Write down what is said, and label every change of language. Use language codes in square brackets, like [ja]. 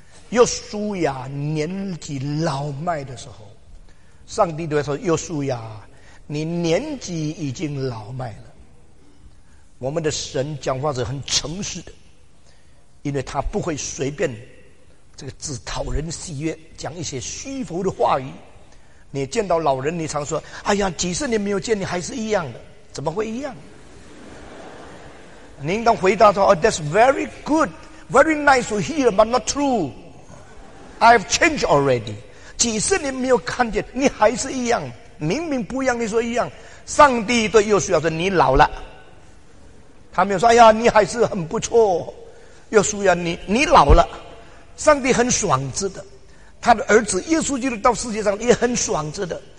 [zh] 约书亚年纪老迈的时候，上帝对他说：“约书亚，你年纪已经老迈了。” 我们的神讲话是很诚实的，因为他不会随便这个只讨人喜悦，讲一些虚浮的话语。你见到老人，你常说：“哎呀，几十年没有见，你还是一样的，怎么会一样？” 你应当回答说：“哦、 [en] that's very good, very nice to hear, but not true. I've changed already. [zh] 几十年没有看见，你还是一样，明明不一样，你说一样。” 上帝对约书亚说：“你老了。” 他没有说：“哎呀，你还是很不错，约书亚，你老了。” 上帝很爽子的，他的儿子耶稣基督到世界上也很爽子的。